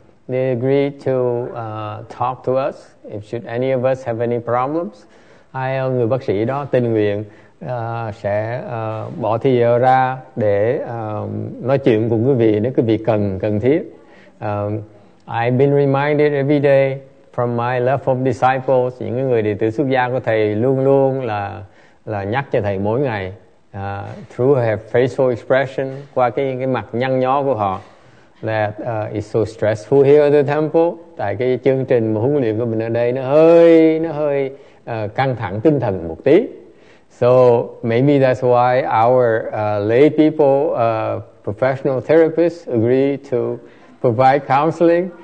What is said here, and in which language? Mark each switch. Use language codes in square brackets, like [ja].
[en] They agreed to talk to us if should any of us have any problems. [vi] Ai người bác sĩ đó tình nguyện sẽ bỏ thời giờ ra để nói chuyện cùng quý vị nếu quý vị cần thiết. [en] I've been reminded every day from my level of disciples, [vi] những người đệ tử xuất gia của thầy luôn luôn là nhắc cho thầy mỗi ngày, [en] through her facial expression, [vi] qua cái mặt nhăn nhó của họ, [en] that it's so stressful here at the temple. [vi] Tại cái chương trình huấn luyện của mình ở đây nó hơi căng thẳng tinh thần một tí. [en] So maybe that's why our lay people, professional therapists, agree to provide counseling.